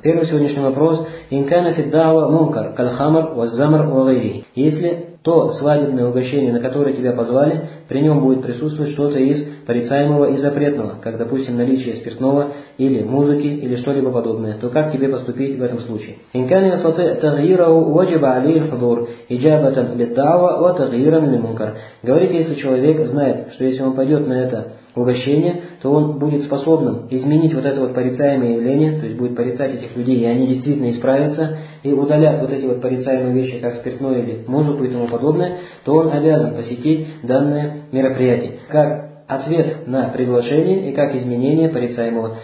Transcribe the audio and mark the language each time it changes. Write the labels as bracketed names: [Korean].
[Russian] Первый сегодняшний вопрос: [Arabic] ин кана фид даъва мункар каль хамр ва аз-замр ва гайрихи. [Russian] Если то свадебное угощение, на которое тебя позвали, при нем будет присутствовать что-то из порицаемого и запретного, как, допустим, наличие спиртного или музыки или что-либо подобное, то как тебе поступить в этом случае? [Arabic] إن كان يستطيع تغييره وجب عليه الحضور إجابة للدعوة وتغييرا للمنكر. [Russian] Говорит, если человек знает, что если он пойдет на это угощение, то он будет способным изменить вот это вот порицаемое явление, то есть будет порицать этих людей, и они действительно исправятся, и удалят вот эти вот порицаемые вещи, как спиртное или музыку и тому подобное, то он обязан посетить данное мероприятие, как ответ на приглашение и как изменение порицаемого.